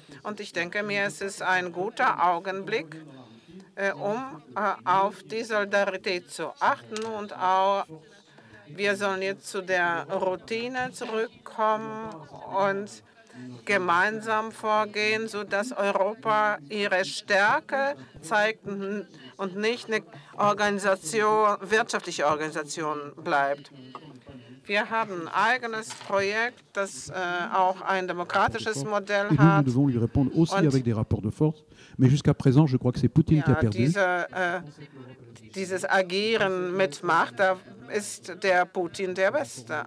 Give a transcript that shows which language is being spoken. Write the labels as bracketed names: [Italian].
[German] Und ich denke mir, es ist ein guter Augenblick, um auf die Solidarität zu achten und auch wir sollen jetzt zu der Routine zurückkommen und gemeinsam vorgehen, sodass Europa ihre Stärke zeigt und nicht eine Organisation, wirtschaftliche Organisation bleibt. Wir haben ein eigenes Projekt, das auch ein demokratisches Modell hat. [French] Nous devons lui répondre aussi avec des rapports de force. Mais jusqu'à présent, je crois que c'est Poutine qui a perdu. [German] Dieses Agieren mit Macht, da ist der Putin der Beste.